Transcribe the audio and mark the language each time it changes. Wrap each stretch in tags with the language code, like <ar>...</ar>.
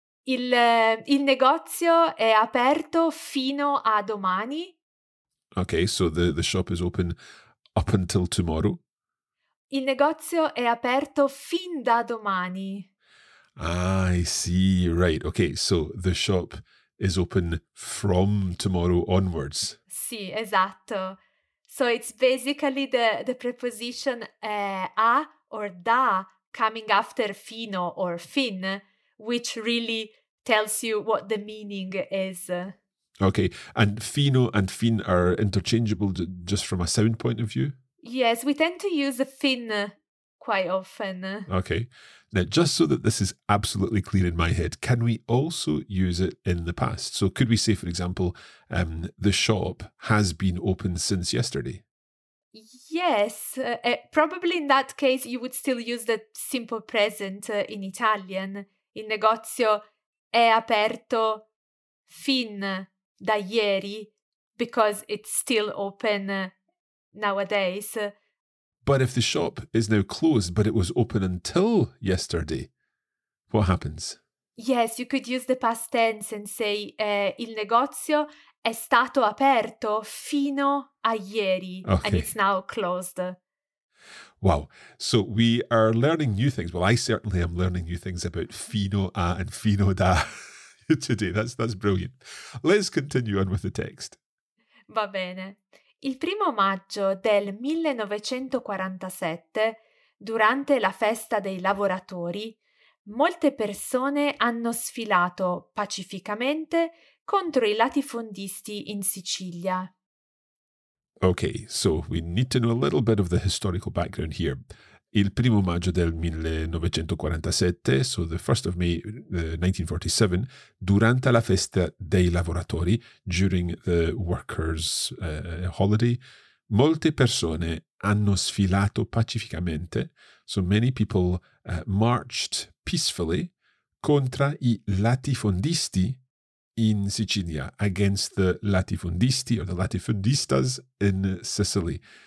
<it>Il negozio è aperto fino a domani.</it> <en>Okay, so the shop is open up until tomorrow.</en> <it>Il negozio è aperto fin da domani.</it> <en>I see, right. Okay, so the shop is open from tomorrow onwards.</en> <it>Sì, esatto.</it> <en>So it's basically the preposition a or da coming after fino or fin, which really tells you what the meaning is. Okay, and fino and fin are interchangeable just from a sound point of view? Yes, we tend to use fin quite often. Okay, now just so that this is absolutely clear in my head, can we also use it in the past? So could we say, for example, the shop has been open since yesterday? Yes, probably in that case you would still use the simple present in Italian.</en> <it>Il negozio è aperto fin da ieri,</it> <en>because it's still open nowadays. But if the shop is now closed, but it was open until yesterday, what happens? Yes, you could use the past tense and say</en> <it>il negozio è stato aperto fino a ieri,</it> <en>okay, and it's now closed. Wow. So we are learning new things. Well, I certainly am learning new things about fino a and fino da today. That's brilliant. Let's continue on with the text.</en> <it>Va bene. Il primo maggio del 1947, durante la festa dei lavoratori, molte persone hanno sfilato pacificamente contro i latifondisti in Sicilia.</it> <en>Okay, so we need to know a little bit of the historical background here.</en> <it>Il primo maggio del 1947,</it> <en>so the 1st of May 1947,</en> <it>durante la festa dei lavoratori,</it> <en>during the workers' holiday,</en> <it>molte persone hanno sfilato pacificamente,</it> <en>so many people marched peacefully,</en> <it>contra i latifondisti in Sicilia,</it> <en>against the latifondisti or the latifundistas in Sicily.</en>